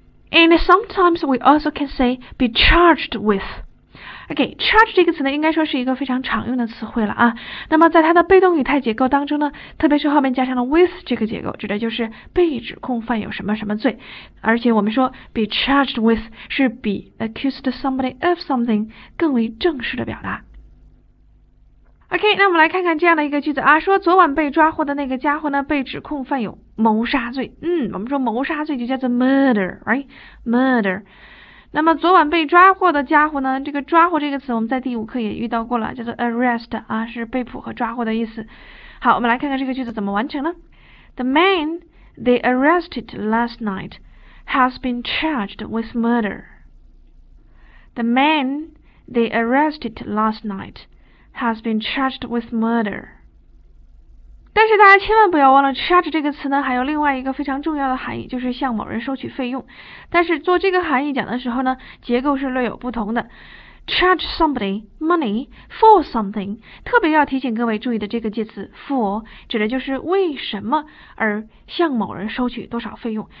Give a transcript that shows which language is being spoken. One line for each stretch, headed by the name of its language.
English: And sometimes we also can say be charged with。
Chinese: Okay, charge 这个词呢应该说是一个非常常用的词汇了啊。那么在它的被动语态结构当中呢，特别是后面加上了 with 这个结构，指的就是被指控犯有什么什么罪。而且我们说 be charged with 是比 accused somebody of something 更为正式的表达。 OK, 那我们来看看这样的一个句子啊，说昨晚被抓获的那个家伙呢被指控犯有谋杀罪。嗯，我们说谋杀罪就叫做 murder, right? Murder. 那么昨晚被抓获的家伙呢，这个抓获这个词我们在第五课也遇到过了，叫做 arrest 啊，是被捕和抓获的意思。好，我们来看看这个句子怎么完成呢。
English: The man they arrested last night has been charged with murder. The man they arrested last night has been charged with murder.
Chinese: 但是大家千万不要忘了 charge 这个词呢还有另外一个非常重要的含义，就是向某人收取费用。但是做这个含义讲的时候呢，结构是略有不同的。 charge somebody money for something， 特别要提醒各位注意的这个介词 for 指的就是为什么而向某人收取多少费用。